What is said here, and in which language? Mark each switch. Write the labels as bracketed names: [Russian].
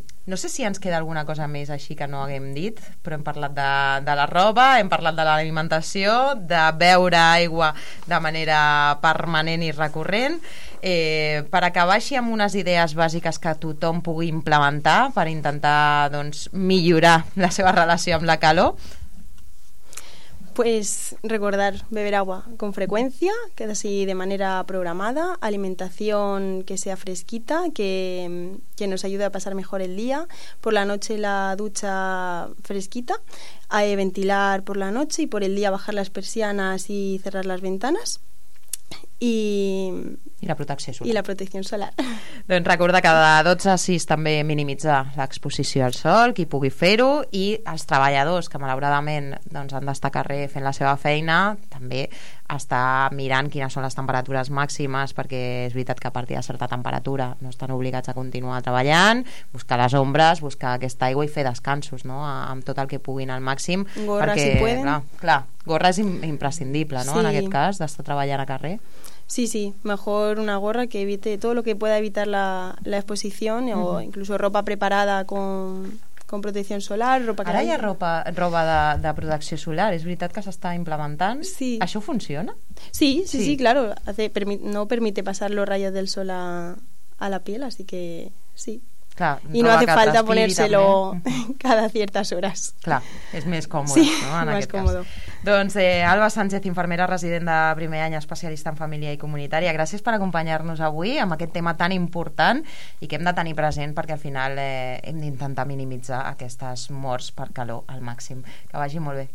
[Catalan] No sé si ens queda alguna cosa més així que no haguem dit, però hem parlat de la roba, hem parlat de l'alimentació, de beure aigua de manera permanent i recurrent. Per acabar així amb unes idees bàsiques que tothom pugui implementar per intentar doncs, millorar la seva relació amb la calor. [Spanish] Pues recordar beber agua con frecuencia, que así de manera programada, alimentación que sea fresquita, que nos ayude a pasar mejor el día, por la noche la ducha fresquita, a ventilar por la noche y por el día bajar las persianas y cerrar las ventanas. [Catalan] I la protecció solar. I la protecció solar. Doncs recorda que de 12 a 6 també minimitzar l'exposició al sol, qui pugui fer-ho, i els treballadors que malauradament doncs, han d'estar a carrer fent la seva feina, també estar mirant quines són les temperatures màximes, perquè és veritat que a partir de certa temperatura no estan obligats a continuar treballant, buscar les ombres, buscar aquesta aigua i fer descansos, no? Amb tot el que puguin al màxim. Gorra, perquè, si poden. Clar, gorra és imprescindible, no? Sí. En aquest cas, d'estar treballant a carrer. [Spanish] Sí, sí, mejor una gorra que evite todo lo que pueda evitar la exposición, uh-huh, o incluso ropa preparada con protección solar, ropa [Catalan] que... Ara hi ha roba de protecció solar, és veritat que s'està implementant? Sí. Això funciona? [Spanish] Sí, sí, sí, sí, claro, no permite pasar los rayos del sol a la piel, así que sí. [Catalan] Clar, [Spanish] i no hace falta ponérselo cada ciertas horas. [Catalan] Clar, és més còmode, sí, no? En aquest còmode. Cas. Doncs Alba Sánchez, infermera resident de primer any, especialista en família i comunitària, gràcies per acompanyar-nos avui amb aquest tema tan important i que hem de tenir present perquè al final hem d'intentar minimitzar aquestes morts per calor al màxim. Que vagi molt bé.